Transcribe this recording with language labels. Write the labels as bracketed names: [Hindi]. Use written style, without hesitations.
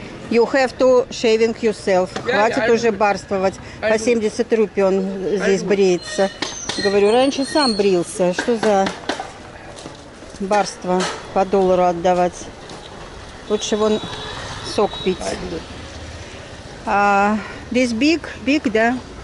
[English] You have to shaving yourself. [Russian] Хватит уже барствовать. По 70 рупий он здесь бреется. Говорю, раньше сам брился. Что за барство по доллару отдавать? Лучше вон сок пить. [English] А, this big, big, да?